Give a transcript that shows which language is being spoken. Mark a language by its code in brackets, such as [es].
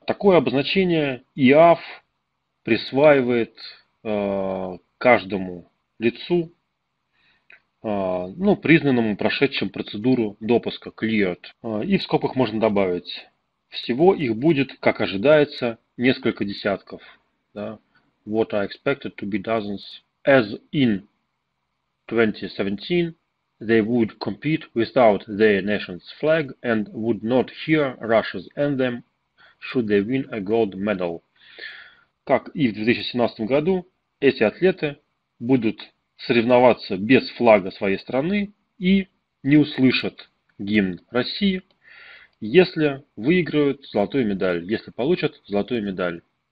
[ru] Такое обозначение ИАФ присваивает каждому лицу, ну, признанному прошедшим процедуру допуска, cleared. И в скобках можно добавить, всего их будет, как ожидается, несколько десятков. Да? [en] What are expected to be dozens as in 2017, they would compete without their nation's flag and would not hear Russia's anthem should they win a gold medal. [ru] Как и в 2017 году, эти атлеты будут соревноваться без флага своей страны и не услышат гимн России, если выиграют золотую медаль, если получат золотую медаль.